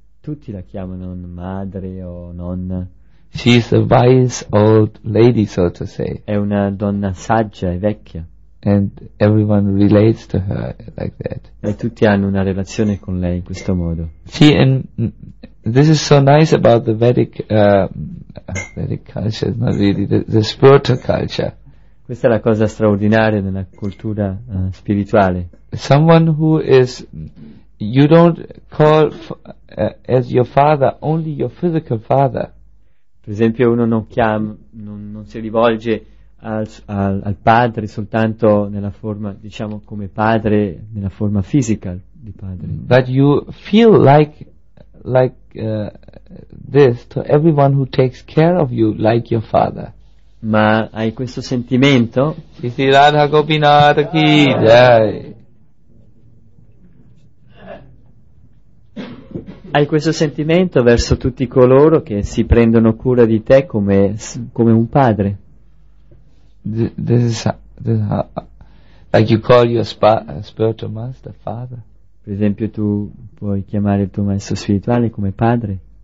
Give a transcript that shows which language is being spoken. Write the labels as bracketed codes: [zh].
[it] Tutti la chiamano madre o nonna. [en] She's a wise old lady, so to say. [it] È una donna saggia e vecchia. [en] And everyone relates to her like that. [it] E tutti hanno una relazione con lei in questo modo. [en] See, and this is so nice about the Vedic culture, not really the spiritual culture. [it] Questa è la cosa straordinaria nella cultura spirituale. [en] Someone who is, you don't call as your father only your physical father. [it] Per esempio, uno non si rivolge al padre soltanto nella forma, diciamo, come padre nella forma fisica di padre. [en] But you feel like this to everyone who takes care of you like your father. [it] Ma hai questo sentimento? Sì, sì, Radha Gopinath ki jai. Hai questo sentimento verso tutti coloro che si prendono cura di te come un padre. [en] Like you call your spiritual master father. [it] Per esempio, tu puoi chiamare il tuo maestro spirituale come padre.